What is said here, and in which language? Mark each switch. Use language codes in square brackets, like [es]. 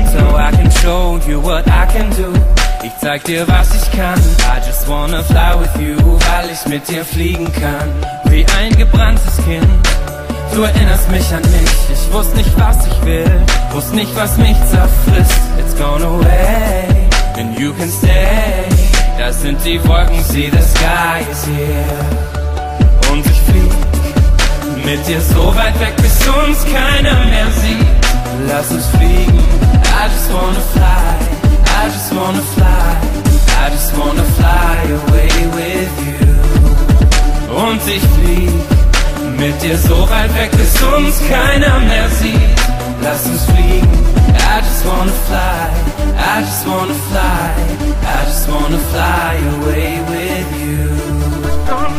[en] So I can show you what I can do. [de] Ich zeig dir, was ich kann. [en] I just wanna fly with you, [de] weil ich mit dir fliegen kann. Wie ein gebranntes Kind, du erinnerst mich an mich. Ich wusste nicht, was ich will, wusste nicht, was mich zerfrisst. [en] It's gone away, and you can stay. [de] Da sind die Wolken, [en] see the sky is here. [de] Und ich flieg mit dir so weit weg, bis uns keiner mehr sieht. Lass uns fliegen, [en] I just wanna fly. I just wanna fly, I just wanna fly away with you. [de] Und ich flieg mit dir so weit weg, bis uns keiner mehr sieht. Lass uns fliegen, [en] I just wanna fly. I just wanna fly, I just wanna fly away with you.